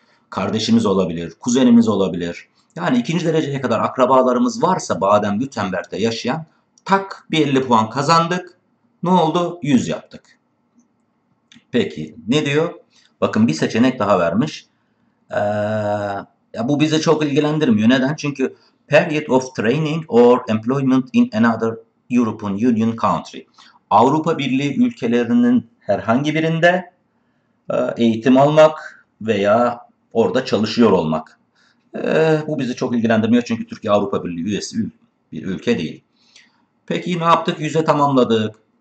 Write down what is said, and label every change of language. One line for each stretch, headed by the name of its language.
Turkish: Kardeşimiz olabilir, kuzenimiz olabilir. Yani ikinci dereceye kadar akrabalarımız varsa Baden-Württemberg'de yaşayan, tak bir 50 puan kazandık. Ne oldu? 100 yaptık. Peki ne diyor? Bakın bir seçenek daha vermiş. Ya bu bizi çok ilgilendirmiyor. Neden?
English: Çünkü period of training or employment in another European Union country.
Turkish: Avrupa Birliği ülkelerinin herhangi birinde eğitim almak veya orada çalışıyor olmak. Bu bizi çok ilgilendirmiyor çünkü Türkiye Avrupa Birliği üyesi bir ülke değil. Peki ne yaptık? 100'e tamamladık.